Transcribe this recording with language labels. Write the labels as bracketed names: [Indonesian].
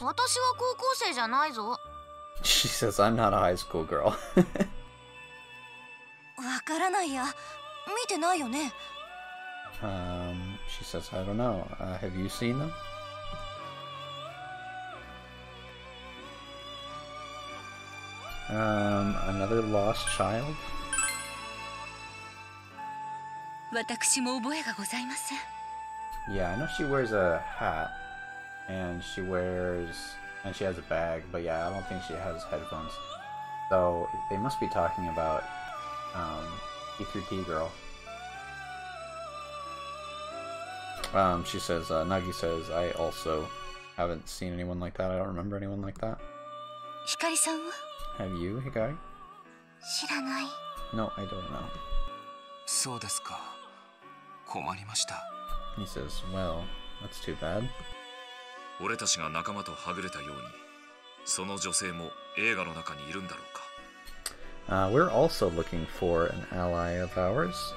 [Japanese] 私は高校生じゃないぞ。 [English] She says, I'm not a high school girl. [Japanese] わからないや。見てないよね。 [English] She says, I don't know. Have you seen them? Another lost child? [Japanese] 私も覚えがございません。 [English] Yeah, I know she wears a hat. And she wears... And she has a bag, but yeah, I don't think she has headphones. So, they must be talking about, E3P girl. She says, Nagi says, I also haven't seen anyone like that. I don't remember anyone like that. Hikari-san? Have you, Hikari? [Japanese] 知らない。 [English] No, I don't know. [Japanese] そうですか。困りました。 [English] He says, well, that's too bad. [Japanese] 俺たちが仲間とはぐれたように、その女性も映画の中にいるんだろうか。 [English] We're also looking for an ally of ours.